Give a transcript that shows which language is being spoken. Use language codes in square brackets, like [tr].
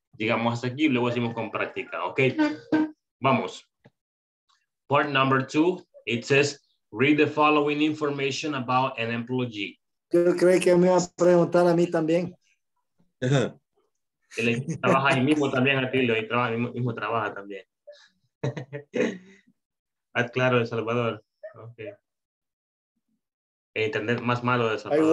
[es] Llegamos hasta aquí, luego hacemos con práctica, okay? Vamos. [en] Part number two, it says, read the following information about an employee. [es] Yo creo que me vas a preguntar a mí también. Trabaja ahí mismo también, Atilio, y trabaja, mismo trabaja también. Claro, El Salvador. Okay. Internet más malo de Salvador.